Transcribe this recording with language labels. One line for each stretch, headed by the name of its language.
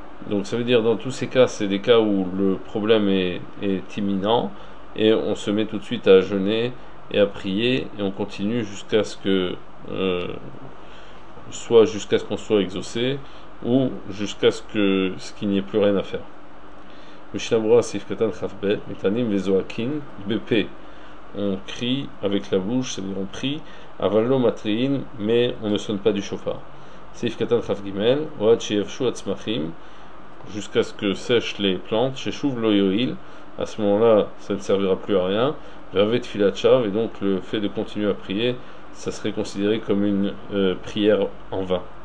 French: Donc ça veut dire, dans tous ces cas, c'est des cas où le problème est imminent et on se met tout de suite à jeûner et à prier et on continue jusqu'à ce que soit jusqu'à ce qu'on soit exaucé ou jusqu'à ce qu'il n'y ait plus rien à faire.
Hebrew: משנה ברורה, סעיף קטן כ"ב, מתענים וזועקים בפה.
French: On crie avec la bouche, c'est-à-dire on prie, avant l'eau matrine, mais on ne sonne pas du chauffard.
Hebrew: Sif katan chaf gimel, oad sheyevshu atzmachim,
French: jusqu'à ce que sèchent les plantes,
Hebrew: sheshuv lo yoil,
French: à ce moment-là, ça ne servira plus à rien,
Hebrew: ravet tfilat shav,
French: et donc le fait de continuer à prier, ça serait considéré comme une prière en vain.